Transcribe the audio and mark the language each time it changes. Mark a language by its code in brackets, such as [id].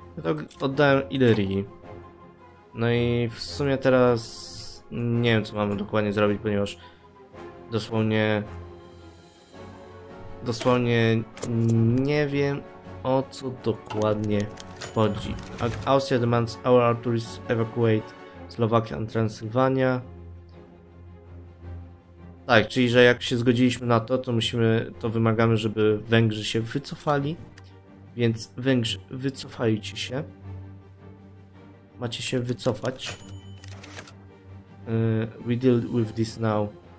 [pl] Ja to oddałem Ilerii. No i w sumie teraz nie wiem co mamy dokładnie zrobić, ponieważ dosłownie nie wiem o co dokładnie chodzi. [en] Austria demands our artillery to evacuate Slovakia and Transylvania. [pl] Tak, czyli że jak się zgodziliśmy na to, to wymagamy, żeby Węgrzy się wycofali. Więc Węgrzy, wycofajcie się. Macie się wycofać. [en] We deal with this now.